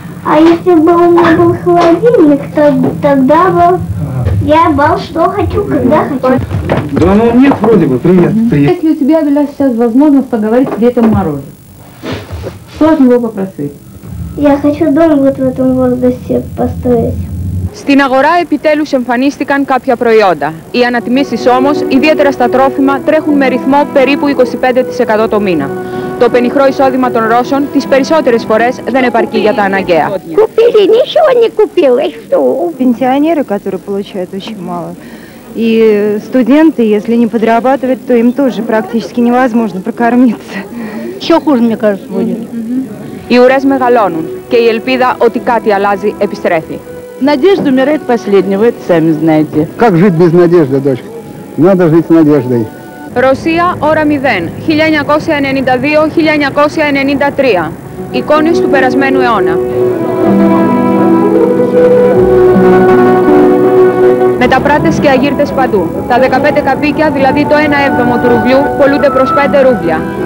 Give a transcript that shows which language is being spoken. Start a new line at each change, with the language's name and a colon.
Russian: А если бы у меня был холодильник, то тогда бы я брал, что хочу, когда хочу. Да ну нет, вроде бы, привет. Если у тебя была сейчас возможность поговорить с Дедом Морозом, что от него попросить? Я хочу дом вот в этом возрасте построить.
Greek: Στην αγορά επιτέλους εμφανίστηκαν κάποια προϊόντα. Οι ανατιμήσεις όμως, ιδιαίτερα στα τρόφιμα, τρέχουν με ρυθμό περίπου 25% το μήνα. Το πενιχρό εισόδημα των Ρώσων τις περισσότερες φορές δεν επαρκεί για τα αναγκαία.
Russian: Κουπίλι, ничего не купили, что? Пенсионеры, которые получают очень мало. И студенты, если не подрабатывать, то им тоже практически невозможно прокормиться. Еще хуже, мне кажется, будет.
Greek: Οι ουρές μεγαλώνουν και η ελπίδα ότι κάτι αλλάζει επιστρέφει.
Russian: Надежда умирает последнего, это сами знаете. Как жить без надежды, дочка? Надо жить с надеждой.
Greek: Ρωσία, ώρα 0, 1992-1993. Εικόνες του περασμένου αιώνα. Μεταπράτες και αγύρτες παντού. Τα 15 καπίκια, δηλαδή το 1 έβδομο του ρουβλιού, πολλούνται προς 5 ρούβλια.